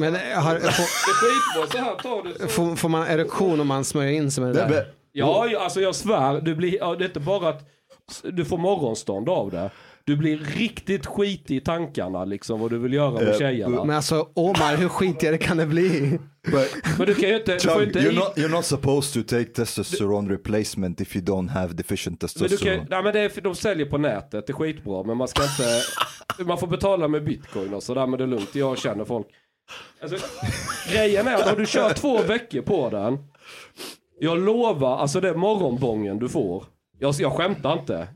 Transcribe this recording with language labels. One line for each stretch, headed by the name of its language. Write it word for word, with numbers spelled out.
Swedish: men har, får, får, får man erektion om man smörjer in sig med det där? Be, ja, jag, alltså jag svär. Du blir, det är inte bara att du får morgonstånd av det. Du blir riktigt skitig i tankarna liksom, vad du vill göra med tjejerna. Men alltså, Omar, hur skitigare kan det bli?
English: But,
Swedish: men du kan ju inte... Chung, inte
English: you're, not, you're not supposed to take testosterone du, replacement if you don't have deficient testosterone.
Swedish: Men du kan, nej, men det är, de säljer på nätet, det är skitbra. Men man ska inte... Man får betala med bitcoin och sådär, men det är lugnt. Jag känner folk. Alltså, grejen är att om du kör två veckor på den... Jag lovar, alltså det är morgonbången du får... Jag, jag skämtar inte.